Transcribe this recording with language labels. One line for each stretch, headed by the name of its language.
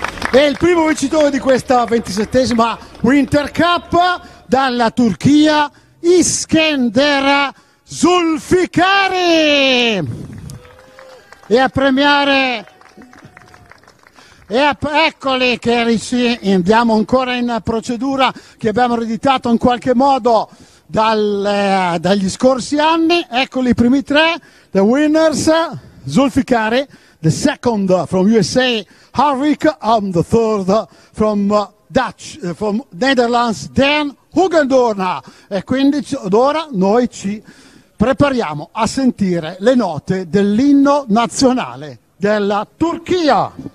Italian: È il primo vincitore di questa 27esima Winter Cup dalla Turchia, Iskender Zulfikari. E a premiare, eccoli che andiamo ancora in procedura che abbiamo ereditato in qualche modo dagli scorsi anni. Eccoli i primi tre,
English: the winners, Zulfikari, the second from USA, Harvick, and the third from Dutch, from Netherlands, Dan Hoogendoorna.
Italian: E quindi ora noi ci prepariamo a sentire le note dell'inno nazionale della Turchia.